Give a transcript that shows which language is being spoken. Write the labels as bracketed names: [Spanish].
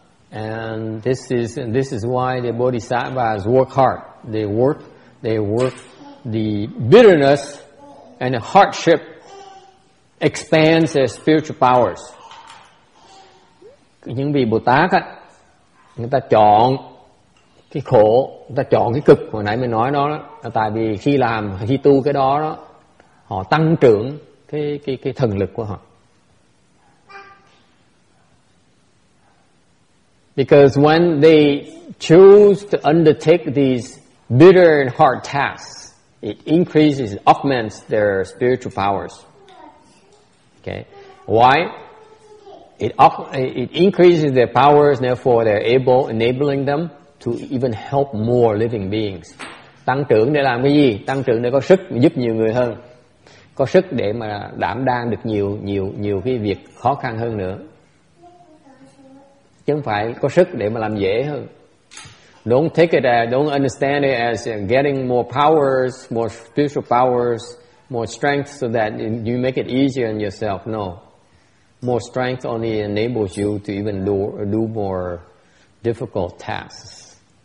[English] And this is why the Bodhisattvas work hard. They work the bitterness and the hardship expands their spiritual powers. [Vietnamese] Những vị Bồ Tát á, người ta chọn cái khổ, người ta chọn cái cực, hồi nãy mình nói đó, là tại vì khi làm, khi tu cái đó, đó họ tăng trưởng cái thần lực của họ. [English] Because when they choose to undertake these bitter and hard tasks, it increases, augments their spiritual powers. Okay, why? It increases their powers, therefore they're able, enabling them to even help more living beings. [Vietnamese] Tăng trưởng để làm cái gì? Tăng trưởng để có sức giúp nhiều người hơn, có sức để mà đảm đang được nhiều cái việc khó khăn hơn nữa, chứ không phải có sức để mà làm dễ hơn. [English] Don't take it as, don't understand it as getting more powers, more spiritual powers, more strength so that you make it easier on yourself. No. More strength only enables you to even do more difficult tasks.